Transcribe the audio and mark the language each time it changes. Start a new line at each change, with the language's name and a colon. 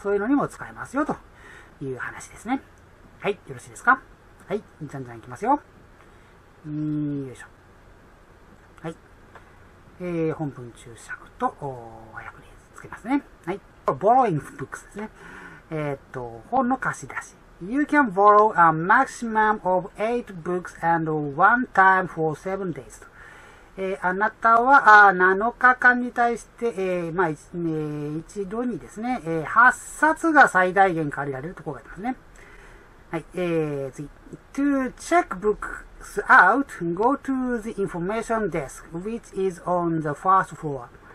Japanese: そういうのにも使えますよ、という話ですね。はい、よろしいですか？はい、じゃんじゃんいきますよ。よいしょ。はい。本文注釈と、訳例つけますね。はい。
English: borrowing books
Japanese: ですね。本の貸し出し。
English: You can borrow a maximum of 8 books and one time for 7 days.
Japanese: あなたは、7日間に対して、一度にですね、8冊が最大限借りられるところがありますね。はい、次。
English: To check books out, go to the information desk, which is on the first floor.